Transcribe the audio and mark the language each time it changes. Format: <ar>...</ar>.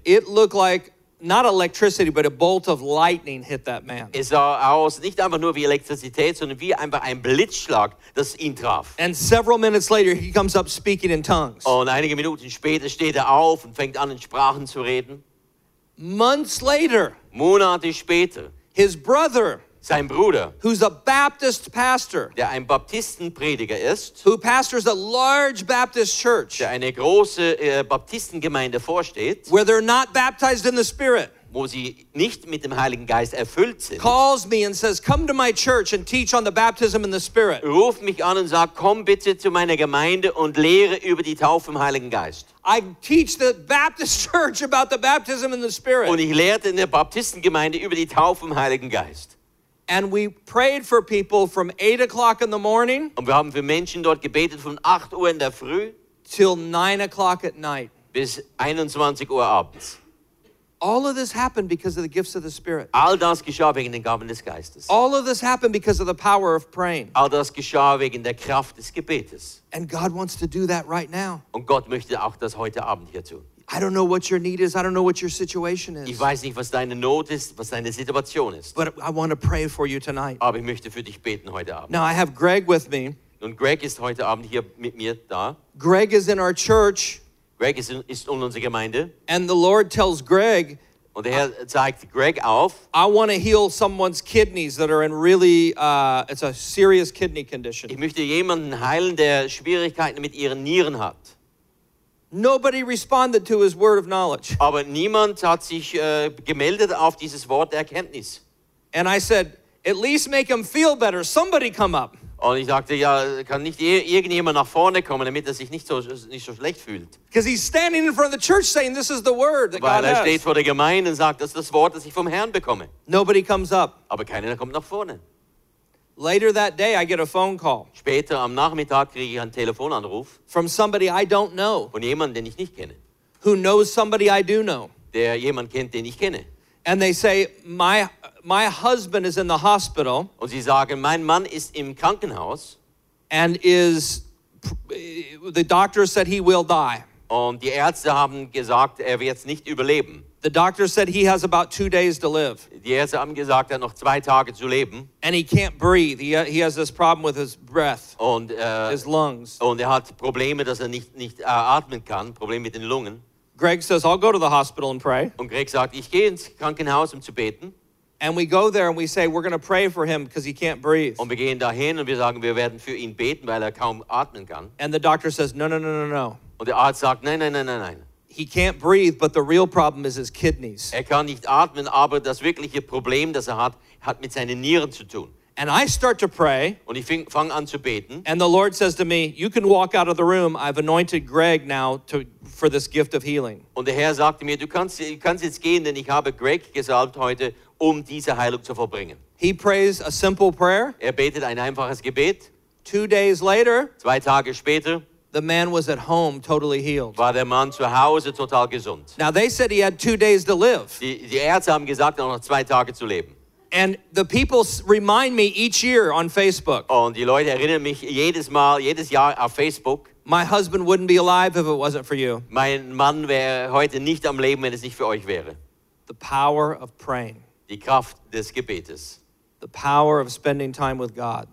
<en>It looked like not electricity, but a bolt of lightning hit that man.</en> <de>Es sah aus nicht einfach nur wie Elektrizität, sondern wie einfach ein Blitzschlag, das ihn traf.</de> <en>And several minutes later, he comes up speaking in tongues.</en> <de>Und einige Minuten später steht er auf und fängt an, in Sprachen zu reden.</de> <en>Months later,</en> <de>Monate später,</de> <en>his brother,</en> <de>sein Bruder,</de> <en>who's a Baptist pastor,</en> <de>der ein Baptistenprediger ist,</de> <en>who pastors a large Baptist church,</en> <de>der eine große Baptistengemeinde vorsteht,</de> <en>where they're not baptized in the Spirit,</en> <de>wo sie nicht mit dem Heiligen Geist erfüllt sind,</de> <en>calls me and says, "Come to my church and teach on the baptism in the Spirit."</en> <de>Ruft mich an und sagt, komm bitte zu meiner Gemeinde und lehre über die Taufe im Heiligen Geist.</de> <en>I teach the Baptist church about the baptism in the Spirit.</en> <de>Und ich lehrte in der Baptistengemeinde über die Taufe im Heiligen Geist.</de> <en>And we prayed for people from 8 o'clock in the morning.</en> <de>Und wir haben für Menschen dort gebetet von 8 Uhr in der Früh.</de> <en>Till 9 o'clock at night.</en> <de>Bis 21 Uhr abends.</de> <en>All of this happened because of the gifts of the Spirit.</en> <de>All das geschah wegen den Gaben des Geistes.</de> <en>All of this happened because of the power of praying.</en> <de>All das geschah wegen der Kraft des Gebetes.</de> <en>And God wants to do that right now.</en> <de>Und Gott möchte auch das heute Abend hier tun.</de> <en>I don't know what your need is. I don't know what your situation is.</en> <de>Ich weiß nicht, was deine Not ist, was deine Situation ist.</de> <en>But I want to pray for you tonight.</en> <de>Aber ich möchte für dich beten heute Abend.</de> <en>Now I have Greg with me.</en> <de>Und Greg ist heute Abend hier mit mir da.</de> <en>Greg is in our church.</en> <de>Greg ist in unserer Gemeinde.</de> <en>And the Lord tells Greg.</en> <de>Und der Herr zeigt Greg auf.</de> <en>I want to heal someone's kidneys that are in really, it's a serious kidney condition.</en> <de>Ich möchte jemanden heilen, der Schwierigkeiten mit ihren Nieren hat.</de> <en>Nobody responded to his word of knowledge.</en> <de>Aber niemand hat sich gemeldet auf dieses Wort der Erkenntnis.</de> <en>And I said, "At least make him feel better. Somebody come up."</en> <de>Und ich sagte, ja, kann nicht irgendjemand nach vorne kommen, damit er sich nicht so schlecht fühlt.</de> <en>Because he's standing in front of the church saying, "This is the word that God has."</en> <de>Weil er steht vor der Gemeinde und sagt, das ist das Wort, das ich vom Herrn bekomme.</de> <en>Nobody comes up.</en> <de>Aber keiner kommt nach vorne.</de> <en>Later that day, I get a phone call.</en> <de>Später am Nachmittag kriege ich einen Telefonanruf.</de> <en>From somebody I don't know.</en> <de>Von jemandem, den ich nicht kenne.</de> <en>Who knows somebody I do know.</en> <de>Der jemand kennt, den ich kenne.</de> <en>And they say, my husband is in the hospital.</en> <de>Und sie sagen, mein Mann ist im Krankenhaus.</de> <en>And is, the doctor said he will die.</en> <de>Und die Ärzte haben gesagt, er wird nicht überleben.</de> <en>The doctor said he has about 2 days to live.</en> <de>Die Ärzte haben gesagt, er hat noch 2 Tage zu leben.</de> <en>And he can't breathe. He has this problem with his breath.</en> <de>Und</de> <en>his lungs.</en> <de>Und er hat Probleme, dass er nicht atmen kann. Probleme mit den Lungen.</de> <en>Greg says, "I'll go to the hospital and pray."</en> <de>Und Greg sagt, ich gehe ins Krankenhaus, um zu beten.</de> <en>And we go there and we say, "We're going to pray for him because he can't breathe."</en> <de>Und wir gehen dahin und wir sagen, wir werden für ihn beten, weil er kaum atmen kann.</de> <en>And the doctor says, "No, no, no, no, no."</en> <de>Und der Arzt sagt, nein, nein, nein, nein, nein.</de> <en>He can't breathe, but the real problem is his kidneys.</en> <de>Er kann nicht atmen, aber das wirkliche Problem, das er hat, hat mit seinen Nieren zu tun.</de> <en>And I start to pray.</en> <de>Und ich fang an zu beten.</de> <en>And the Lord says to me, "You can walk out of the room. I've anointed Greg now to for this gift of healing."</en> <de>Und der Herr sagte mir, du kannst jetzt gehen, denn ich habe Greg gesalbt heute, um diese Heilung zu vollbringen.</de> <en>He prays a simple prayer.</en> <de>Er betet ein einfaches Gebet.</de> <en>2 days later.</en> <de>2 Tage später.</de> <en>The man was at home, totally healed.</en> <de>War der Mann zu Hause total gesund.</de> <en>Now they said he had 2 days to live.</en> <de>Die Ärzte haben gesagt, er hat noch 2 Tage zu leben.</de> <en>And the people remind me each year on Facebook.</en> <de>Oh, und die Leute erinnern mich jedes Mal, jedes Jahr auf Facebook.</de> <en>My husband wouldn't be alive if it wasn't for you.</en> <de>Mein Mann wäre heute nicht am Leben, wenn es nicht für euch wäre.</de> <en>The power of praying.</en> <de>Die Kraft des Gebetes.</de> <en>The power of spending time with God.</en>